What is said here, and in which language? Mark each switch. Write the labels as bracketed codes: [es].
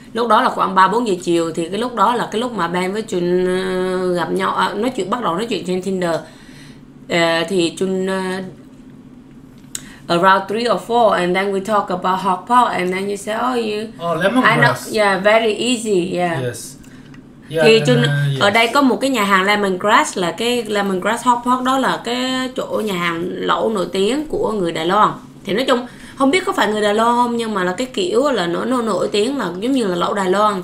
[vi] Lúc đó là khoảng 3-4 giờ chiều, thì cái lúc đó là cái lúc mà Ben với Chun gặp nhau, nói chuyện, bắt đầu nói chuyện trên Tinder. [en] Thì Chun around 3 or 4 and then we talk about hot pot and then you say lemongrass. Yeah, very easy, yeah. Yes. [vi] Yeah, thì Chun yes. Ở đây có một cái nhà hàng lemongrass, là cái lemongrass hot pot đó là cái chỗ nhà hàng lẩu nổi tiếng của người Đài Loan. Thì nói chung không biết có phải người Đài Loan không, nhưng mà là cái kiểu là nó nổi tiếng là giống như là lẩu Đài Loan.